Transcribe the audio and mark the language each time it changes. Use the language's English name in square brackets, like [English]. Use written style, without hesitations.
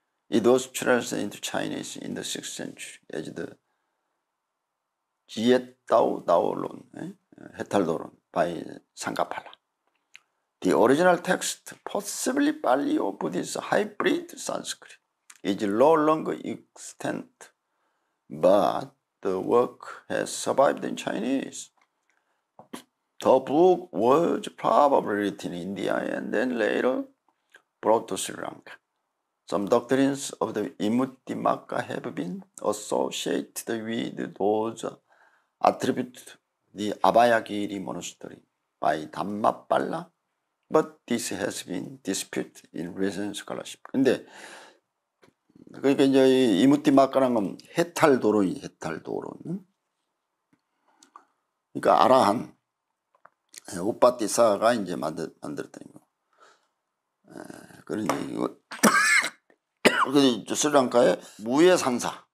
[English] It was translated into Chinese in the 6th century as the Jiet Dao Daolun. [Korean] 해탈도론 by 상가팔라. [English] The original text, possibly Pali or Buddhist hybrid Sanskrit, is no longer extant, but the work has survived in Chinese. The book was probably written in India and then later brought to Sri Lanka. Some doctrines of the Imuttimakka have been associated with those attributed The Abhayagiri Monastery by Dhammapala, but this has been disputed in recent scholarship. [Korean] 근데, 그러니까 이제 이무띠마카라는 건 해탈도론이, 해탈도론. 그러니까 아라한, 우빠띠사가 이제 만들었던 거. 그런 얘기고. 그래서 스리랑카의 무예산사,